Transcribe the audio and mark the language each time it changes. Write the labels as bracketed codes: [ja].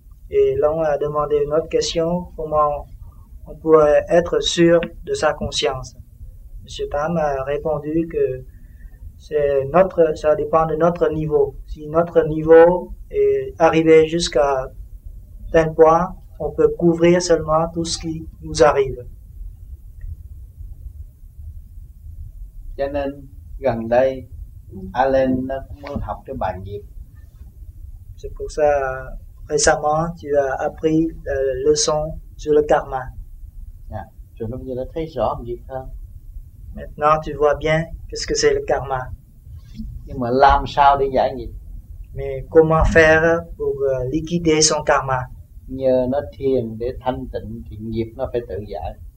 [fr] Et là, on a demandé une autre question, comment on pourrait être sûr de sa conscience? Monsieur Tam a répondu que ça dépend de notre niveau. Si notre niveau est arrivé jusqu'à tel point, on peut couvrir seulement tout ce qui nous arrive. [vi] Cho nên gần đây Alan nó cũng muốn học cái bản nghiệp. [fr] C'est pour ça récemment tu as appris la leçon sur le karma. [vi] Cho nên bây giờ nó thấy rõ bản nghiệp hơn. [fr] Maintenant, tu vois bien qu'est-ce que c'est le karma. [vi] Nhưng mà làm sao để giải nghiệp? [fr] Mais comment faire pour liquider son karma? [vi] Nhờ nó thiền để thanh tịnh thì nghiệp nó phải tự giải.